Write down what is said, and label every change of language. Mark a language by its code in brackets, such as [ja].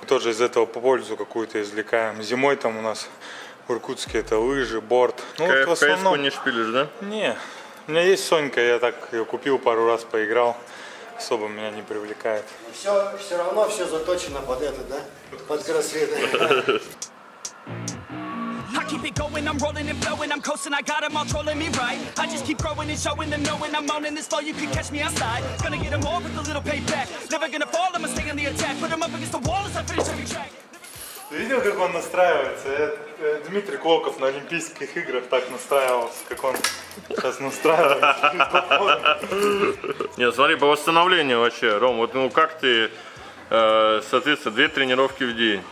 [ru] Тоже из этого пользу какую-то извлекаем. Зимой там у нас в Иркутске это лыжи, борт. Ну, вот в основном... КФ-ку не шпилишь, да? Не. У меня есть Сонька, я так ее купил, пару раз поиграл. Особо меня не привлекает. Но все равно все заточено под это, да? Под кроссфит. [en] Keep it going, I'm rolling and flowing, I'm coasting, I got them all trolling me right. I just keep growing and showing them knowing I'm owning this flow, you can catch me outside. Gonna get them all with a little payback. Never gonna fall, I'ma stay on the attack. Put them up against the wall as I finish every track. [ru] Видел, как он настраивается? Дмитрий Клоков на Олимпийских играх так настраивался, как он сейчас настраивается. Нет, смотри, по восстановлению вообще, Ром, вот ну как ты, соответственно, две тренировки в день.